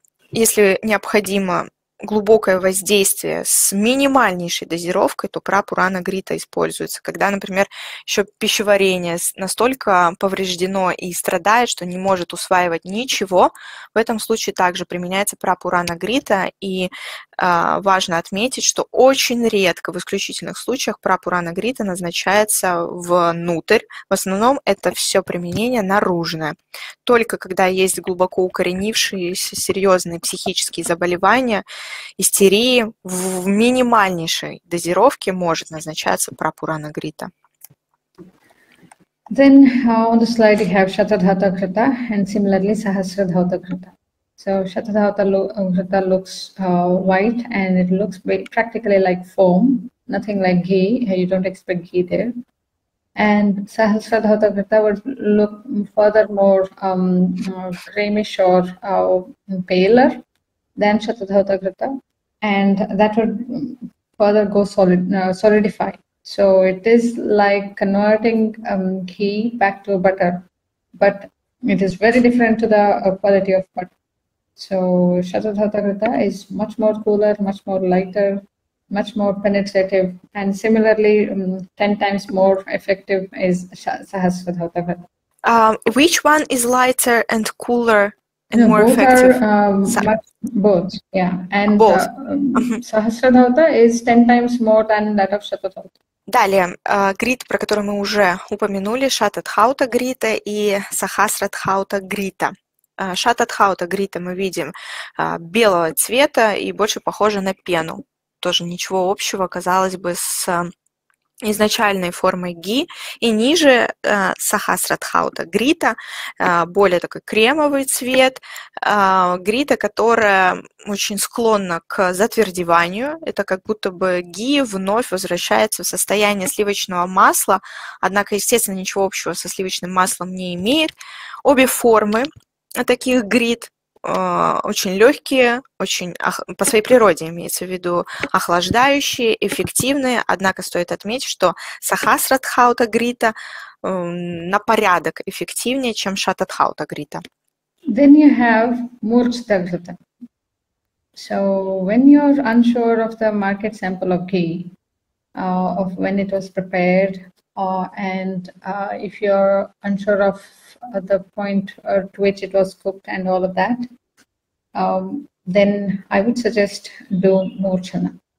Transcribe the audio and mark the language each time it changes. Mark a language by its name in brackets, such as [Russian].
[Russian] Если необходимо глубокое воздействие с минимальнейшей дозировкой, то прапурана грита используется, когда, например, еще пищеварение настолько повреждено и страдает, что не может усваивать ничего, в этом случае также применяется прапурана грита, и важно отметить, что очень редко в исключительных случаях прапурана грита назначается внутрь, в основном это все применение наружное. Только когда есть глубоко укоренившиеся серьезные психические заболевания, истерии, в минимальнейшей дозировке может назначаться прапурана грита. [English] Then on the slide you have Shatadhata Krita and similarly Sahasradhata Krita. So Shatadhata Krita looks white and it looks practically like foam, nothing like ghee, you don't expect ghee there. And Sahasradhata Krita would look further more greenish or paler than Shatadhata Krita, and that would further go solidify. So it is like converting ghee back to butter, but it is very different to the quality of butter. So Shatadhata Krita is much more cooler, much more lighter, much more penetrative, and similarly 10 times more effective is Sahasradhata Krita. Which one is lighter and cooler? No, more both effective. Are much, both, yeah. And both. Sahasradhata is 10 times more than that of Shatadhata. [Russian] Далее, грит, про который мы уже упомянули, Шатадхаута грита и Сахасрадхаута грита. Шатадхаута грита мы видим белого цвета и больше похоже на пену. Тоже ничего общего, казалось бы, с изначальной формой ги, и ниже Сахасрадхаута грита, более такой кремовый цвет, грита, которая очень склонна к затвердеванию, это как будто бы ги вновь возвращается в состояние сливочного масла, однако, естественно, ничего общего со сливочным маслом не имеет. Обе формы таких грит очень легкие, очень по своей природе имеется в виду охлаждающие, эффективные. Однако стоит отметить, что Сахасрадхаута грита на порядок эффективнее, чем Шатадхаута грита. [English] Then you have Мурчта грита. So when you're unsure of the market sample of ghee, of when it was prepared, and if you're unsure of the point to which it was cooked and all of that, then I would suggest do Murchana.